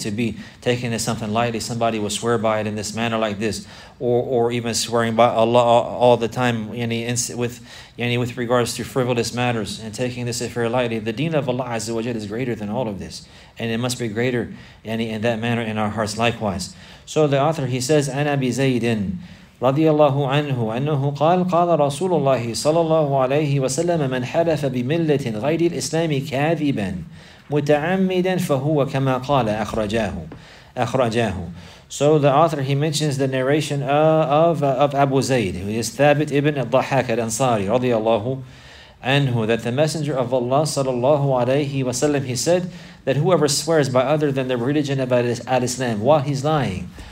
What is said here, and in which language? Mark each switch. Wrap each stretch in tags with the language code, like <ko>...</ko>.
<en>To be taken as something lightly, somebody will swear by it in this manner like this, or even swearing by Allah all the time, with regards to frivolous matters, and taking this affair lightly. The deen of Allah Azza wa Jal is greater than all of this, and it must be greater in that manner in our hearts likewise. So the author, he says,</en> <ar>أنا بزيدٍ رضي الله عنه أنه قال قال رسول الله صلى الله عليه وسلم من حلف بملة غير الإسلام كاذبا متعمدا فهو كما قال أخرجاه.</ar> <en>So the author, he mentions the narration of Abu Zayd, who is Thabit ibn al-Dhahak al-Ansari رضي الله عنه, that the Messenger of Allah صلى الله عليه وسلم, he said that whoever swears by other than the religion of al-Islam while he's lying,</en>